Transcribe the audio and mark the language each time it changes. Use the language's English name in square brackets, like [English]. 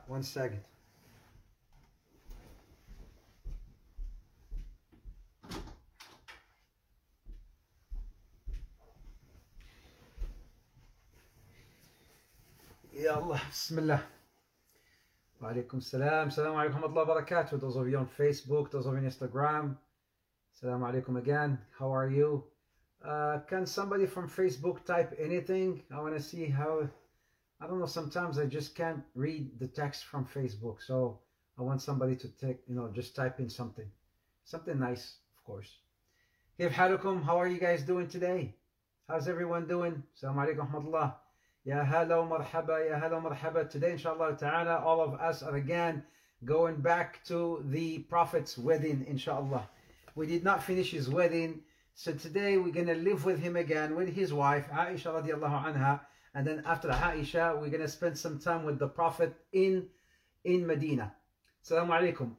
[Arabic] وان ساكت يا الله. بسم الله. وعليكم السلام. السلام عليكم ورحمة الله وبركاته. [English] Those of you on Facebook, those of you on Instagram, السلام عليكم again. How are you? Can somebody from Facebook type anything? I want to see how. I don't know. Sometimes I just can't read the text from Facebook. So I want somebody to take, you know, just type in something. Something nice, of course. [Arabic] كيف حالكم? [English] How are you guys doing today? How's everyone doing? [Arabic] السلام عليكم ورحمة الله. يا هلا ومرحبا يا هلا ومرحبا. [English] Today inshallah ta'ala all of us are again going back to the Prophet's wedding inshallah. We did not finish his wedding, so today we're going to live with him again with his wife Aisha radiallahu anha, and then after Aisha we're going to spend some time with the Prophet in Medina. Assalamu alaikum.